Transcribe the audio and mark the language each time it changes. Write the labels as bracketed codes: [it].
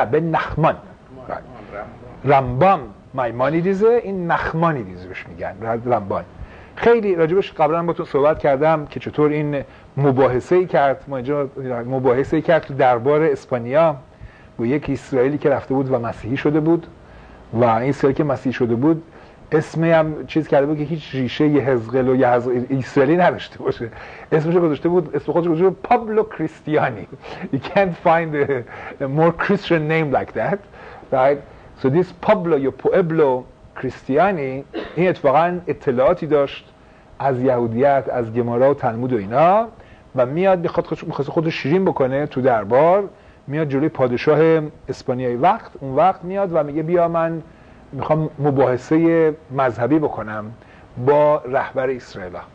[fa] نخمان، رمبان مایمانیدیزه، این نخمانیدیزه بهش میگن رمبان، خیلی راجبش قبلا با تو صحبت کردم که چطور این مباحثه ای کرد، ما اینجا مباحثه ای کرد تو دربار اسپانیا با یک اسرائیلی که رفته بود و مسیحی شده بود، و این اسرائیلی که مسیحی شده بود اسمی هم چیز کرده بود که هیچ ریشه ی حزقل و یسرلی نداشته باشه، اسمش گذاشته بود، اسم خودش گذاشته بود پابلو کریستیانی. [en] You can't find a more Christian name like that, right? So this [fa] Pablo یا پوئبلو کریستیانی، این اتفاقا اطلاعاتی داشت از یهودیت، از گمارا و تلمود و اینا، و میاد میخواد خودش شیرین بکنه تو دربار، میاد جلوی پادشاه اسپانیای وقت، اون وقت میاد و میگه بیا من میخوام مباحثه مذهبی بکنم با رهبر اسرائیل.